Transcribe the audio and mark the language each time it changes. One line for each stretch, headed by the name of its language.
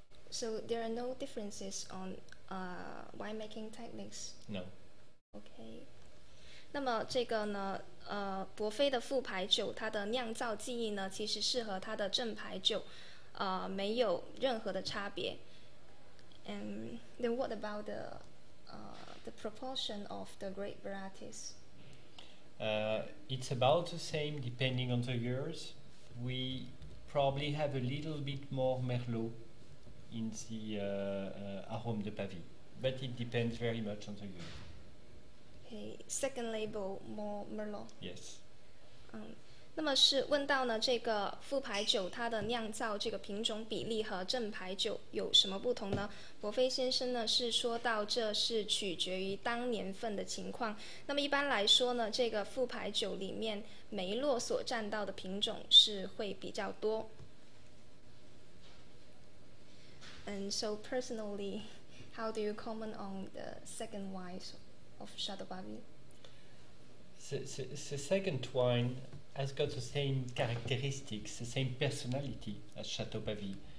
English: So there are no differences on winemaking techniques? No. Okay.
Chinese: 那么这个呢，博菲的副牌酒它的酿造技艺呢，其实是和它的正牌酒没有任何的差别。
English: And then what about the proportion of the grape varieties? It's about the same depending on the years. We probably have a little bit more Merlot in the Arôme de Pavie, but it depends very much on the year. Okay, second label, more Merlot. Yes.
Chinese: 那么是问到呢，这个副牌酒它的酿造这个品种比例和正牌酒有什么不同呢？博菲先生呢是说到这是取决于当年份的情况。那么一般来说呢，这个副牌酒里面梅洛所占到的品种是会比较多。
English: And so personally, how do you comment on the second wine of Chateau Pavie? The second wine. Has got the same characteristics, the same personality as Chateau Pavie.